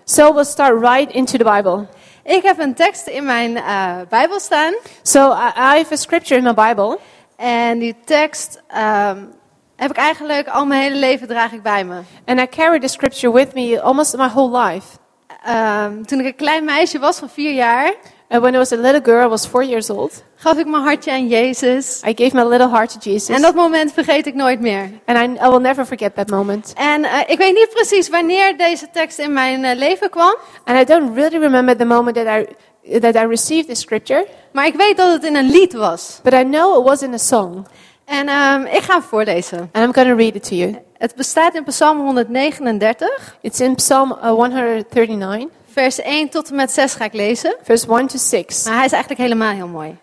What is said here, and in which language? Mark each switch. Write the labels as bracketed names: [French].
[English] So we'll start right into the Bible. [Dutch] Ik heb een tekst in mijn Bijbel staan. [English] So I have a scripture in my Bible. [Dutch] En die tekst heb ik eigenlijk al mijn hele leven draag ik bij me. [English] And I carry the scripture with me almost my whole life. [Dutch] Toen ik een klein meisje was van 4 jaar. [English] And when I was a little girl, I was 4 years old. [Dutch] Gaf ik mijn hartje aan Jezus. [English] I gave my little heart to Jesus. [Dutch] En dat moment vergeet ik nooit meer. [English] And I will never forget that moment. [Dutch] En ik weet niet precies wanneer deze tekst in mijn leven kwam. [English] And I don't really remember the moment that I received this scripture. [Dutch] Maar ik weet dat het in een lied was. [English] But I know it was in a song. [Dutch] En ik ga het voorlezen. [English] And I'm going to read it to you. [Dutch] Het bestaat in Psalm 139. [English] It's in Psalm 139. [Dutch] Vers 1 tot en met 6 ga ik lezen. [English] Vers 1 to 6. [Dutch] Maar hij is eigenlijk helemaal heel mooi.